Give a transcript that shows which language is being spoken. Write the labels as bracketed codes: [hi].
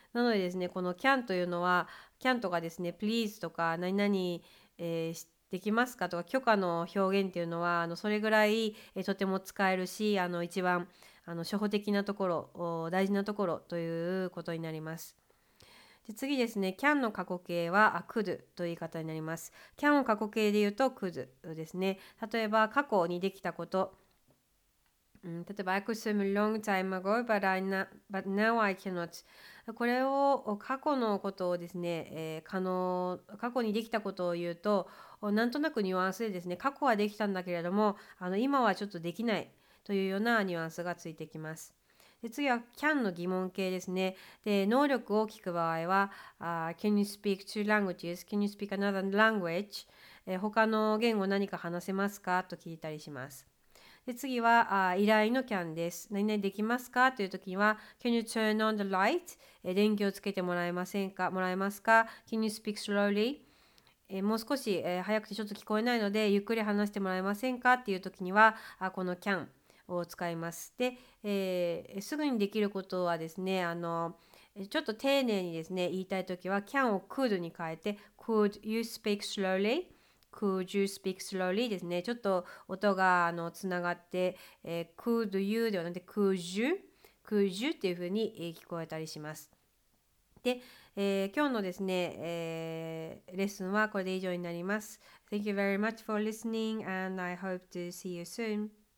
[ja] なのでですね、この can というのは can とかですね、 please とか何々、できますかとか許可の表現っていうのはそれぐらい、とても使えるし、一番初歩的なところ大事なところということになります。で次ですね、can の過去形は could という言い方になります。 can を過去形で言うと could ですね。例えば過去にできたこと。 [en] 例えば I could swim a long time ago, but now I cannot. [ja] これを過去のことをですね、過去にできたことを言うと、なんとなくニュアンスでですね、過去はできたんだけれども、今はちょっとできないというようなニュアンスがついてきます。で次は can の疑問形ですね。で能力を聞く場合は、 [en] Can you speak two languages? Can you speak another language?、 [ja] 他の言語何か話せますかと聞いたりします。で次は、依頼の can です。何々できますかという時には、 [en] Can you turn on the light?、 [ja] 電気をつけてもらえませんか、もらえますか ? [en] Can you speak slowly?、 [ja] もう少し、早くてちょっと聞こえないので、ゆっくり話してもらえませんかという時には、この can。を使います。で、すぐにできることはですね、ちょっと丁寧にですね言いたいときは can を could に変えて [en] could you speak slowly? Could you speak slowly? [ja] ですね、ちょっと音がつながって、 [en] could you [ja] ではなくて [en] could you? Could you [ja] っていうふうに聞こえたりします。で、今日のですね、レッスンはこれで以上になります。 [en] Thank you very much for listening and I hope to see you soon.